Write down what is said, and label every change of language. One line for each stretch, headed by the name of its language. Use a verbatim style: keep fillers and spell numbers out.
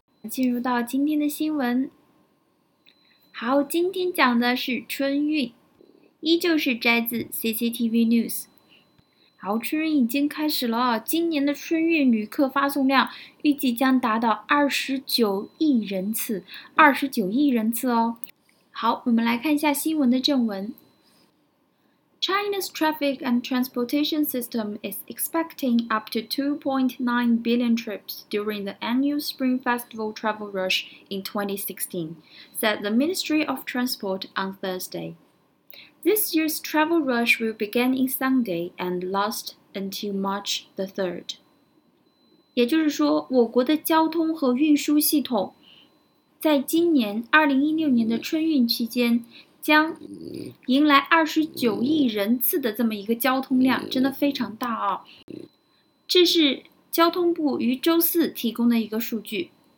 Chinese: 进入到今天的新闻。好，今天讲的是春运，依旧是摘自 C C T V News。好，春运已经开始了，今年的春运旅客发送量预计将达到二十九亿人次，二十九亿人次哦。好，我们来看一下新闻的正文。
English: China's traffic and transportation system is expecting up to two point nine billion trips during the annual Spring Festival travel rush in twenty sixteen, said the Ministry of Transport on Thursday. This year's travel rush will begin on Sunday and last until March the third.
Chinese: 也就是说，我国的交通和运输系统在今年二零一六年的春运期间将迎来二十九亿人次的这么一个交通量，真的非常大啊！这是交通部于周四提供的一个数据。